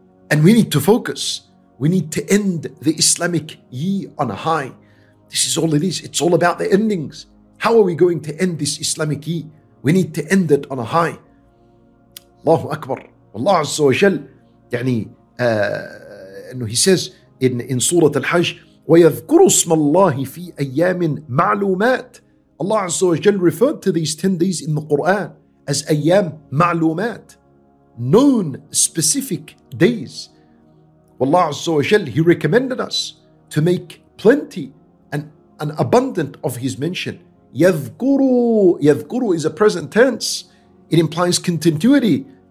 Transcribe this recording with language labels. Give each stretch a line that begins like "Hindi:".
English: And we need to focus. We need to end the Islamic year on a high. This is all it is. It's all about the endings. How are we going to end this Islamic year? We need to end it on a high. Allahu Akbar. Allah Azza wa Jal, yani, and he says in Surah Al-Hajj,
Arabic: ويذكر اسم الله في أيام معلومات.
English: Allah عز وجل referred to these 10 days in the Quran as أيام معلومات, known specific days. Allah عز وجل, He recommended us to make plenty and abundant of His mention. يذكروا is a present tense. It implies continuity.